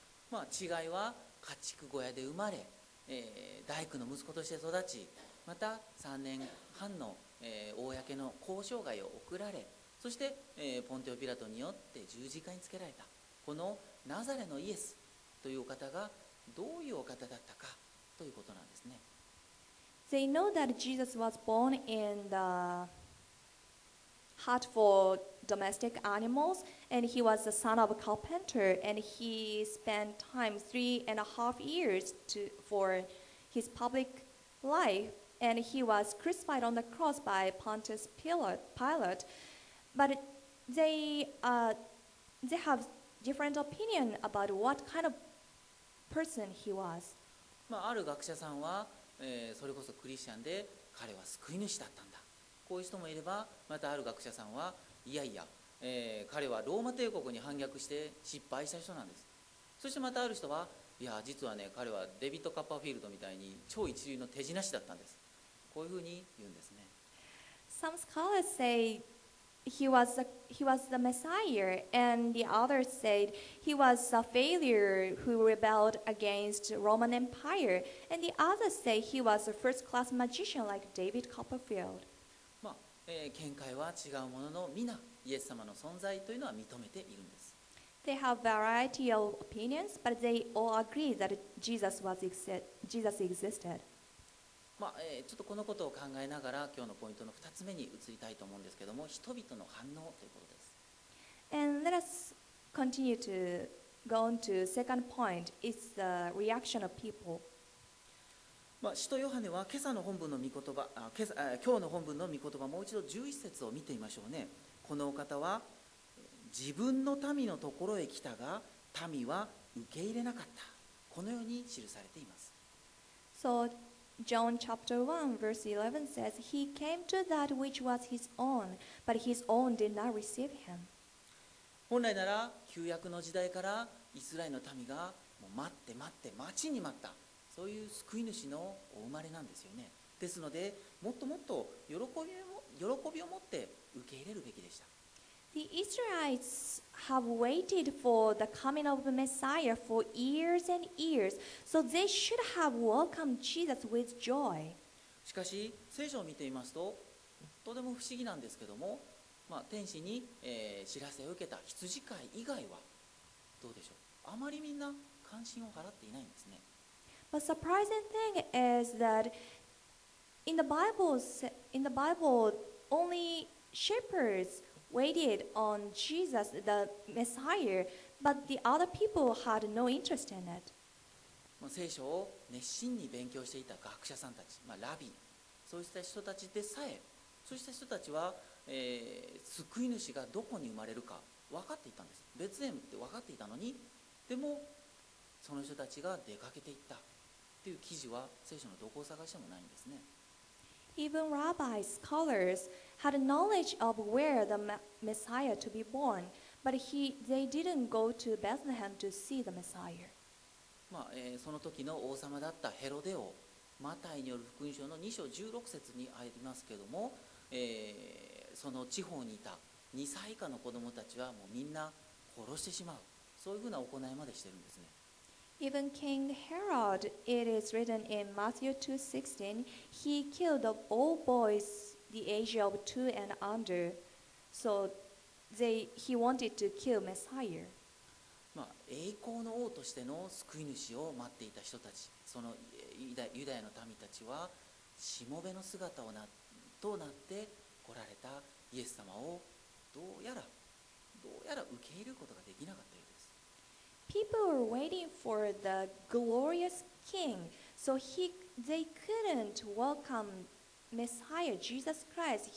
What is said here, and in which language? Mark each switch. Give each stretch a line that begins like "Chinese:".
Japanese: まあ違いは家畜小屋で生まれ、大工の息子として育ち、また3年半の、公の公生涯を送られ、そして、ポンテオピラトによって十字架につけられた、このナザレのイエスというお方がどういうお方だったかということなんですね。
English: They know that Jesus was born in the hut for domestic animals, and he was the son of a carpenter, and he spent time 3.5 years for his public life, and he was crucified on the cross by Pontius Pilate. But they have different opinion about what kind of person he was.
Japanese: まあ、ある学者さんは、それこそクリスチャンで彼は救い主だったんだ。こういう人もいれば、またある学者さんはいやいや、彼はローマ帝国に反逆して失敗した人なんです。そしてまたある人は、いや実はね、彼はデビッド・カッパーフィールドみたいに超一流の手品師だったんです。こういうふうに言うんですね。
English: Some scholars say he was the Messiah, and the others said he was a failure who rebelled against Roman Empire, and the others say he was a first class magician like David Copperfield.
Japanese: 見解は違うものの、皆イエス様の存在というのは認めているんです。
English: They have variety of opinions, but they all agree that Jesus existed.
Japanese: ちょっとこのことを考えながら、今日のポイントの2つ目に移りたいと思うんですけども、人々の反応ということです。
English: And let us continue to go on to second point. It's the reaction of people.
Japanese: 使徒ヨハネは今朝の本文の御言葉、今日の本文の御言葉、もう一度11節を見てみましょうね。このお方は自分の民のところへ来たが、民は受け入れなかった。このように記されています。
English: SoJohn chapter 1 verse 11 says, He came to that which was his own, but his own did not receive him.
Japanese: 本来なら旧約の時代からイスラエルの民がもう待って待って待ちに待った、そういう救い主のお生まれなんですよね。ですので、もっともっと喜びを持って受け入れるべきでした。
English: The Israelites have waited for the coming of the Messiah for years and years, so they should have welcomed Jesus with joy.
Japanese: しかし、聖書を見ていますと、とても不思議なんですけども、天使に、知らせを受けた羊飼い以外は、どうでしょう、あまりみんな関心を払っていないんですね。
English: But surprising thing is that in the Bible, only shepherds waited on Jesus, the Messiah, but the other people had no interest in it.
Japanese: 聖書を熱心に勉強していた学者さんたち、ラビ、そうした人たちでさえ、そうした人たちは、救い主がどこに生まれるか分かっていたんです。ベツレムって分かっていたのに、でもその人たちが出かけていったっていう記事は聖書のどこを探してもないんですね。
English: Even rabbis, scholars had knowledge of where the Messiah to be born, but they didn't go to Bethlehem to see the Messiah.
Japanese: その時の王様だったヘロデ王、マタイによる福音書の2章16節にありますけれども、その地方にいた2歳以下の子どもたちはもうみんな殺してしまう、そういうふうな行いまでしてるんですね。
English: Even King Herod, it is written in Matthew 2:16, he killed all boys the age of 2 and under. So he wanted to kill Messiah.
Japanese: 栄光の王としての救い主を待っていた人たち、そのユダヤの民たちは、しもべの姿をとなって来られたイエス様をどうやら受け入れることができなかったようです。
English: People were waiting for the glorious king, so they couldn't welcome Messiah Jesus Christ.